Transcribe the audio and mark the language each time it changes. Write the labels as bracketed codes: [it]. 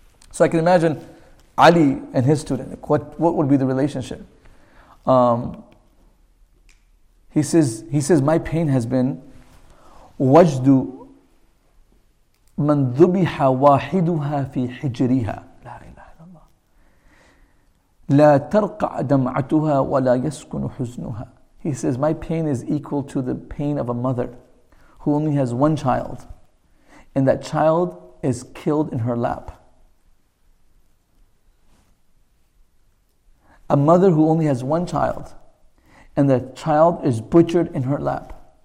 [en] So I can imagine Ali and his student, what would be the relationship? He says, my pain has been [ar] وَجْدُ مَنْ ذُبِحَ وَاحِدُهَا فِي حِجْرِهَا. لا إله إلا الله. لا ترقع دمعتها ولا يسكن حزنها. [en] He says, my pain is equal to the pain of a mother who only has one child, and that child is killed in her lap. A mother who only has one child, and the child is butchered in her lap.